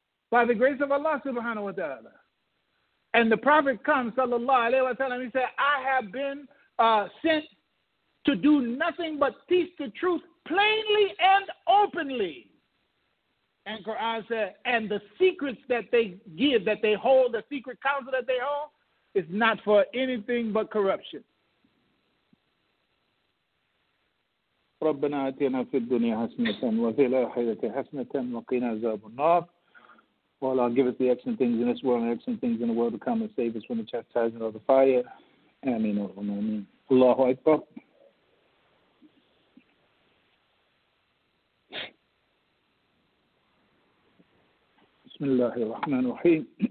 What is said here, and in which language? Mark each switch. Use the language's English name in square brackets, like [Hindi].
[English] By the grace of Allah subhanahu wa ta'ala. And the Prophet comes, sallallahu alayhi wa sallam, he said, I have been sent to do nothing but teach the truth plainly and openly. And Quran said, and the secrets that they give, that they hold, the secret counsel that they hold, is not for anything but corruption. [Arabic] ربنا آتنا في الدنيا حسنة وفي الآخرة حسنة وقنا عذاب النار. [English] Oh Allah, give us the excellent things in this world and excellent things in the world to come and save us from the chastisement of the fire. [Arabic] Ameen. Ameen. Allahu Akbar. Bismillah ar-Rahman ar-Rahim.